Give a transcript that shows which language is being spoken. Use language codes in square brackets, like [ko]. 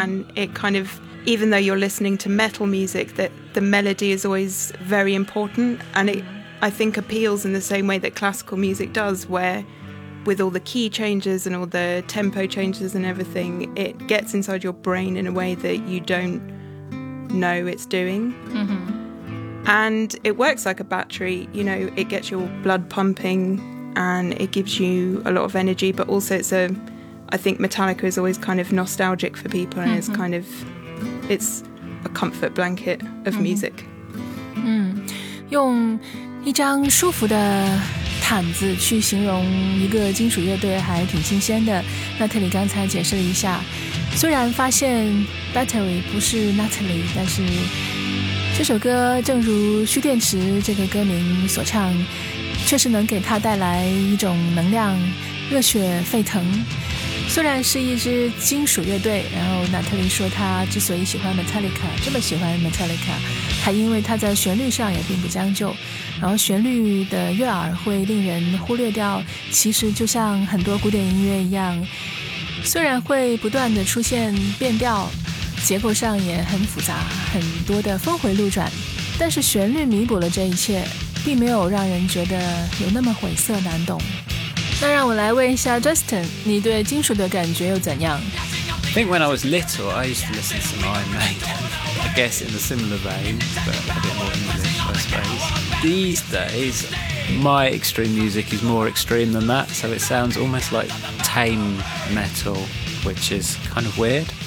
[en] and it kind of, even though you're listening to metal music, that the melody is always very important, and it, I think, appeals in the same way that classical music does, where with all the key changes and all the tempo changes and everything, it gets inside your brain in a way that you don't know it's doing.、Mm-hmm. And it works like a battery, you know, it gets your blood pumping and it gives you a lot of energy, but also it's a, I think Metallica is always kind of nostalgic for people and、mm-hmm. it's kind of, it's a comfort blanket of、mm-hmm. music. [zh] 嗯，用一张舒服的毯子去形容一个金属乐队还挺新鲜的。 Natalie 刚才解释了一下，虽然发现 Battery 不是 Natalie， 但是这首歌正如蓄电池这个歌名所唱，确实能给他带来一种能量，热血沸腾。虽然是一支金属乐队，然后娜特琳说他之所以喜欢 Metallica， 这么喜欢 Metallica， 还因为他在旋律上也并不将就，然后旋律的悦耳会令人忽略掉，其实就像很多古典音乐一样，虽然会不断的出现变调，结构上也很复杂，很多的峰回路转，但是旋律弥补了这一切，并没有让人觉得有那么晦涩难懂。那让我来问一下 Justin， 你对金属的感觉又怎样？ [en] I think when I was little, I used to listen to Iron Maiden. I guess in a similar vein, but a bit more English, I suppose. These days, my extreme music is more extreme than that, so it sounds almost like tame metal, which is kind of weird.